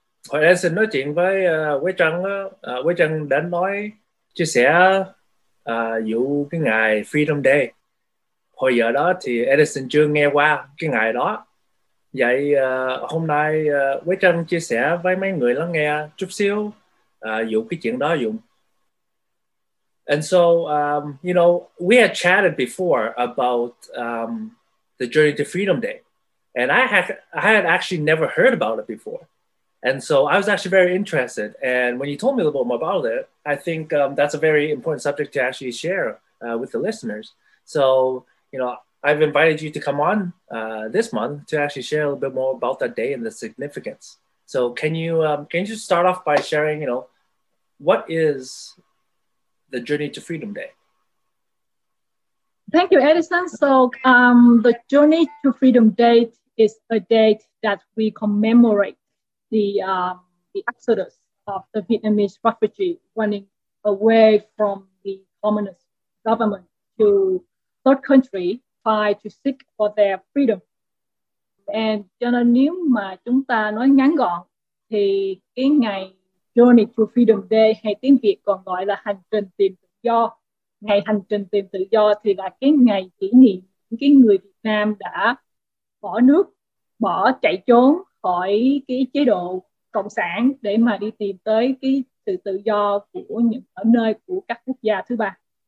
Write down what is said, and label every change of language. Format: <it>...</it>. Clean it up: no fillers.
<vi>Hồi em xin nói chuyện với Quế Trân, Quế Trân đã nói, chia sẻ vụ cái ngày Freedom Day. Hồi giờ đó thì Edison chưa nghe qua cái ngày đó. Vậy hôm nay Quế Trân chia sẻ với mấy người lắng nghe chút xíu vụ cái chuyện đó dùng.</vi> <en>And so, you know, we had chatted before about the Journey to Freedom Day. And I had actually never heard about it before. And so I was actually very interested. And when you told me a little bit more about it, I think that's a very important subject to actually share with the listeners. So, you know, I've invited you to come on this month to actually share a little bit more about that day and the significance. So can you just start off by sharing, you know, what is the Journey to Freedom Day? Thank you, Edison. So the Journey to Freedom Day is a date that we commemorate the exodus of the Vietnamese refugee running away from the communist government to third country try to seek for their freedom.</en> <vi>And cho nên nếu mà chúng ta nói ngắn gọn thì cái ngày Journey to Freedom Day hay tiếng Việt còn gọi là hành trình tìm tự do, ngày hành trình tìm tự do thì là cái ngày kỷ niệm những cái người Việt Nam đã bỏ nước, bỏ chạy trốn khỏi cái chế độ cộng sản để mà đi tìm tới cái sự tự do của những ở nơi của các quốc gia thứ ba.</vi>